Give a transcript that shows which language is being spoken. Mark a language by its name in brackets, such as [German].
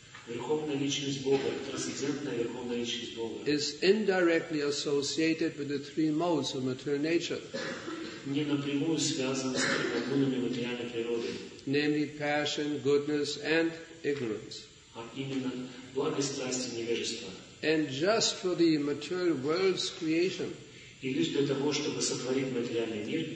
[Russian] Верховная личность Бога, трансцендентная верховная личность Бога. [English] Is indirectly associated with the three modes of material nature. [Russian] Не напрямую связан с гунами материальной природы. [English] Namely, passion, goodness, and ignorance. [Russian] А именно благость, страсть и невежество. [English] And just for the material world's creation. [Russian] И лишь для того, чтобы сотворить материальный мир.